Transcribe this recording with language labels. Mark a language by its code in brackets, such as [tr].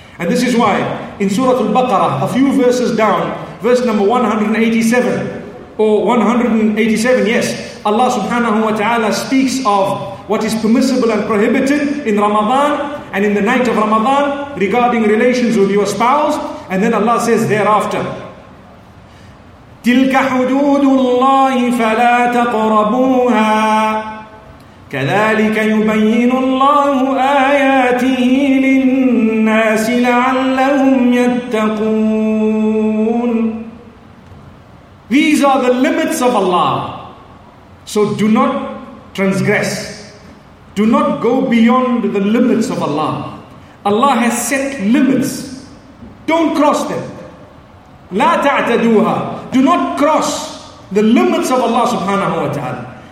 [en] And this is why in Surah Al-Baqarah, a few verses down, verse number 187, Allah subhanahu wa ta'ala speaks of what is permissible and prohibited in Ramadan and in the night of Ramadan regarding relations with your spouse. And then Allah says thereafter, [ar] تِلْكَ حُدُودُ اللَّهِ فَلَا تَقْرَبُوهَا كَذَلِكَ يُبَيِّنُ اللَّهُ آيَاتِهِ لِلنَّاسِ لَعَلَّهُمْ يَتَّقُونَ. [en] These are the limits of Allah. So do not transgress. Do not go beyond the limits of Allah. Allah has set limits. Don't cross them. [ar] لَا تَعْتَدُوهَا. [en] Do not cross the limits of Allah subhanahu wa ta'ala.